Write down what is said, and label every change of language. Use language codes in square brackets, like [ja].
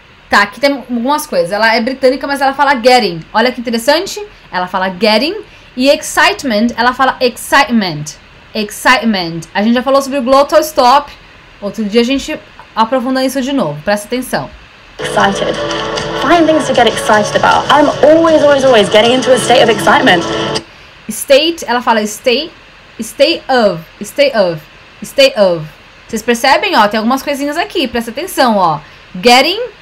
[pt] Tá, aqui tem algumas coisas. Ela é britânica, mas ela fala getting. Olha que interessante. Ela fala getting. E excitement, ela fala excitement. Excitement. A gente já falou sobre o glottal stop. Outro dia a gente aprofunda isso de novo. Presta atenção. [en] Excited. Find things to get excited about. I'm always, always, always getting into a state of excitement. [pt] State, ela fala state of. Vocês percebem, ó, tem algumas coisinhas aqui, presta atenção, ó. Getting,